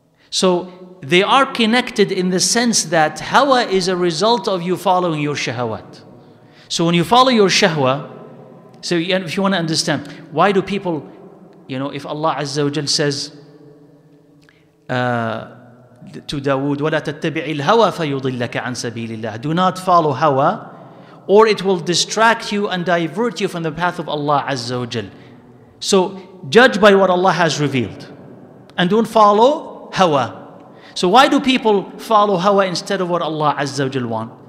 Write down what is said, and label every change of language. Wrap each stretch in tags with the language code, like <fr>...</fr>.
<en>So they are connected in the sense that hawa is a result of you following your shahwat. So when you follow your shahwa, so if you want to understand, why do people, you know, if Allah Azza wa Jal says, to Dawood,</en> <ar>وَلَا تَتَّبِعِ الْهَوَى فَيُضِلَّكَ عَنْ سَبِيلِ اللَّهِ.</ar> <en>Do not follow hawa, or it will distract you and divert you from the path of Allah Azza wa Jal. So judge by what Allah has revealed, and don't follow hawa. So why do people follow hawa instead of what Allah Azza wa Jal want?</en>